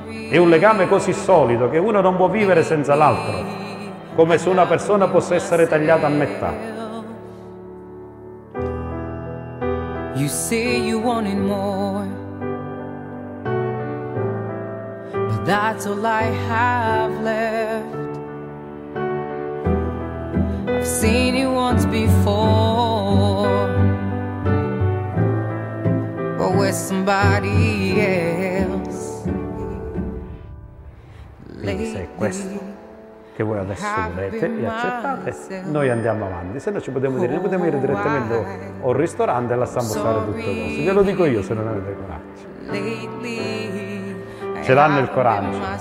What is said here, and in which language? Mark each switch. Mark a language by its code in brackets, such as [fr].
[it] È un legame così solido che uno non può vivere senza l'altro, come se una persona possa essere tagliata a metà. [en] You say you wanted more, but that's all I have left. I've seen you once before, but with somebody else. [it] Quindi se è questo che voi adesso volete e accettate, noi andiamo avanti. Se no ci potremmo dire, potremmo andare direttamente al ristorante e lasciamo stare tutto questo. Ve lo dico io se non avete coraggio. Ce l'hanno il coraggio.